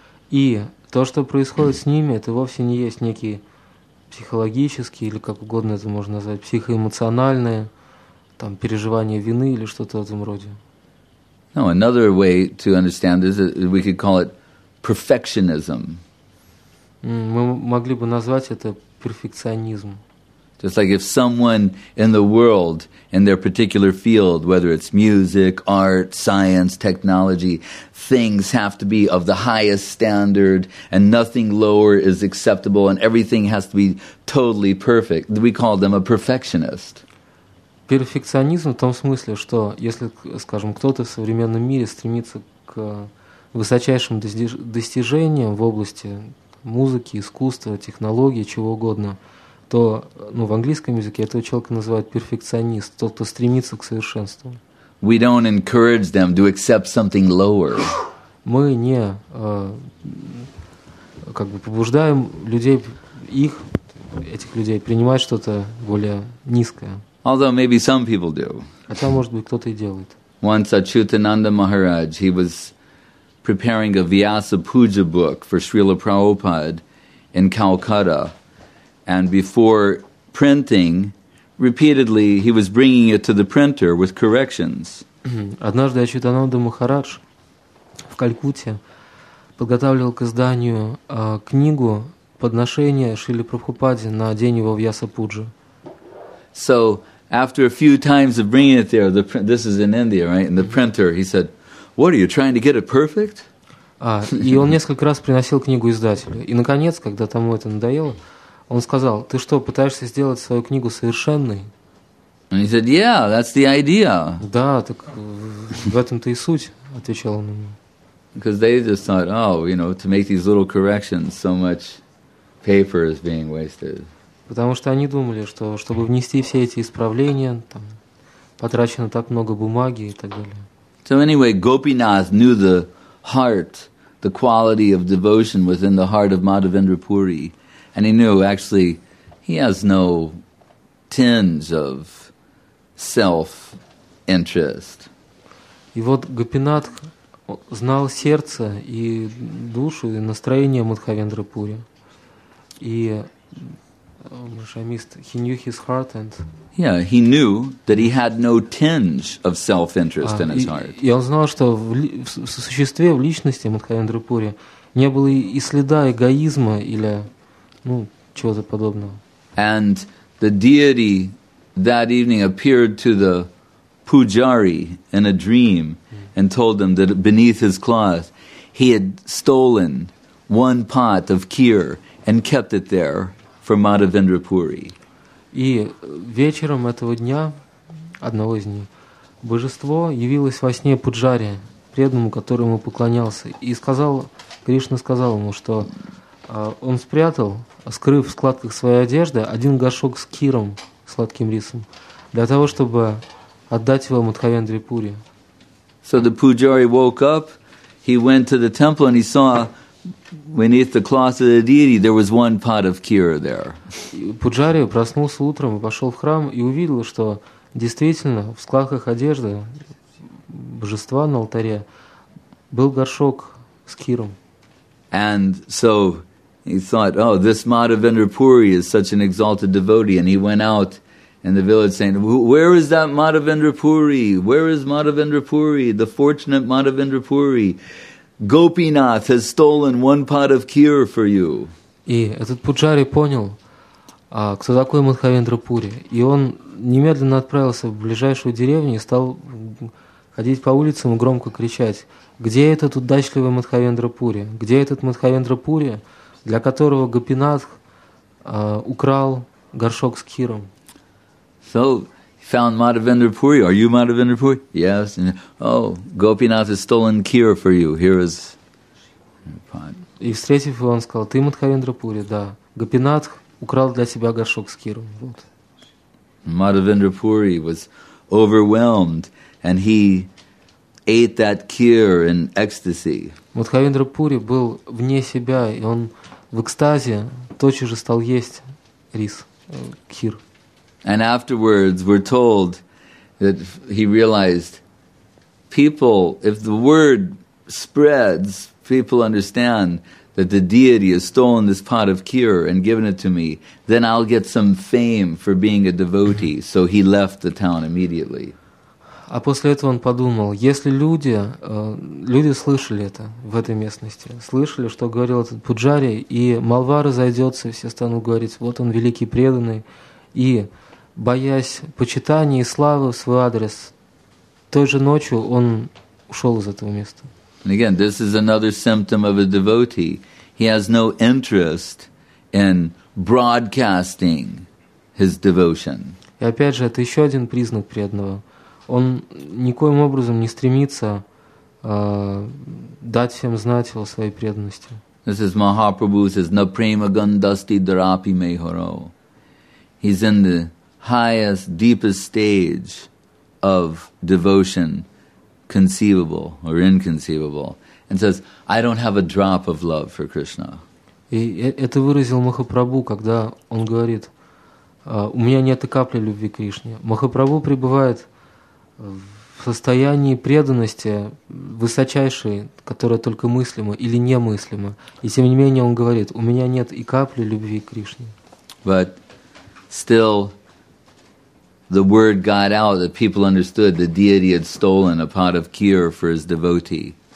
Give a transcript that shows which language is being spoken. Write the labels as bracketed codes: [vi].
[ru] И то, что происходит с ними, это вовсе не есть некий психологические или как угодно это можно назвать, психоэмоциональные, там, переживание вины или что-то в этом роде. [en] No, another way to understand this is we could call it perfectionism. [ru] Мы могли бы назвать это перфекционизм. [en] Just like if someone in the world, in their particular field, whether it's music, art, science, technology, things have to be of the highest standard, and nothing lower is acceptable, and everything has to be totally perfect. We call them a perfectionist. [ru] Перфекционизм в том смысле, что если, скажем, кто-то в современном мире стремится к высочайшим достижениям в области музыки, искусства, технологии, чего угодно, то, ну, в английском языке этого человека называют перфекционист, тот, кто стремится к совершенству. [en] We don't encourage them to accept something lower. [ru] Мы не как бы побуждаем людей, их, этих людей, принимать что-то более низкое. [en] Although maybe some people do. [ru] Хотя, может быть, кто-то и делает. [en] Once Achyutananda Maharaj, he was preparing a Vyasa Puja book for Srila Prabhupada in Calcutta. And before printing, repeatedly, he was bringing it to the printer with corrections. [ru] Однажды Ачьютананда Махарадж в Калькутте подготавливал к изданию книгу подношения Шрили Прабхупаде на день его Вьяса-пуджи. [en] So, after a few times of bringing it there, this is in India, right? In the printer, he said, what, are you trying to get it perfect? [ru] И он несколько раз приносил книгу издателю. И, наконец, когда тому это надоело, он сказал, ты что, пытаешься сделать свою книгу совершенной? [en] And he said, yeah, that's the idea. [ru] Да, так в этом-то и суть, отвечал он ему. [en] Because they just thought, oh, you know, to make these little corrections, so much paper is being wasted. [ru] Потому что они думали, что чтобы внести все эти исправления, там, потрачено так много бумаги и так далее. [en] So anyway, Gopinath knew the heart, the quality of devotion within the heart of Madhavendra Puri. And he knew, actually, He has no tinge of self-interest. [ru] И вот Гопинатх знал сердце и душу и настроение Мадхавендры Пури. И Шамист, [en] he knew his heart and yeah, he knew that he had no tinge of self-interest in his heart. [ru] И он знал, что в существе, в личности Мадхавендры Пури не было и следа эгоизма или ну чего-то подобного. [en] And the deity that evening appeared to the pujari in a dream and told him that beneath his cloth he had stolen one pot of kheer and kept it there for Madhavendra Puri. [ru] И вечером этого дня, одного из них, божество явилось во сне пуджари, преданному, которому поклонялся, и сказал, Кришна сказал ему, что он спрятал, скрыв в складках своей одежды, один горшок с киром, сладким рисом, для того, чтобы отдать его Мадхавендре Пури. [en] So the pujari woke up, he went to the temple and he saw beneath the cloth of the deity there was one pot of kheer there. [ru] Пуджари проснулся утром и пошел в храм и увидел, что действительно в складках одежды божества на алтаре был горшок с киром. [en] And so he thought, oh, this Madhavendra Puri is such an exalted devotee, and he went out in the village saying, where is that Madhavendra Puri? Where is Madhavendra Puri? The fortunate Madhavendra Puri. Gopinath has stolen one pot of kheer for you. [ru] И этот пуджари понял, кто такой Мадхавендра Пури, и он немедленно отправился в ближайшую деревню и стал ходить по улицам и громко кричать: где этот удачливый Мадхавендра Пури? Где этот Мадхавендра Пури, для которого Гопинатх украл горшок с киром? [en] So he found Madhavendra Puri. Are you Madhavendra Puri? Yes. And, oh, Gopinath has stolen kheer for you. Here is pot. [ru] И встретив его, он сказал: ты Мадхавендра Пури, да. Гопинатх украл для тебя горшок с киром. Вот. [en] Madhavendra Puri was overwhelmed and he ate that kheer in ecstasy. [ru] Мадхавендра Пури был вне себя, и он в экстазе тотчас же стал есть рис, кхир. [en] And afterwards we're told that he realized people, if the word spreads, people understand that the deity has stolen this pot of kheer and given it to me, then I'll get some fame for being a devotee. So he left the town immediately. [ru] А после этого он подумал, если люди слышали это в этой местности, слышали, что говорил этот пуджари, и молва разойдется, все станут говорить, вот он великий преданный, и, боясь почитания и славы в свой адрес, той же ночью он ушел из этого места. [en] And again, this is another symptom of a devotee. He has no interest in broadcasting his devotion. [ru] И опять же, это еще один признак преданного. Он никоим образом не стремится дать всем знать о своей преданности. [en] This is Mahaprabhu says, [bn] "Na prema gandasti darapi mehoro." [en] He's in the highest, deepest stage of devotion, conceivable or inconceivable, and says, "I don't have a drop of love for Krishna." [ru] И это выразил Махапрабху, когда он говорит: "У меня нет и капли любви к Кришне." Махапрабху пребывает в состоянии преданности высочайшей, которая только мыслима или немыслима. И тем не менее он говорит: у меня нет и капли любви к Кришне. [en] But still the word got out that people understood the deity had stolen a pot of kheer for his devotee.